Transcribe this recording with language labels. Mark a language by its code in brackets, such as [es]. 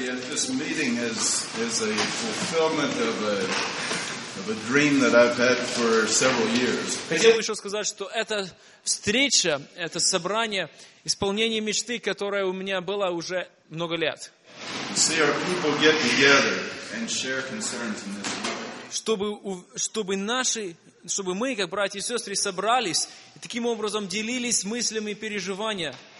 [en] This meeting is a fulfillment of a dream that I've had for several years. [ru] Хотел бы еще сказать, что эта встреча, это собрание, исполнение мечты, которая у меня была уже много лет. [en] You see, our people get together and share concerns in this way. [ru] Чтобы мы, как братья и сестры, собрались и таким образом делились мыслями и переживаниями.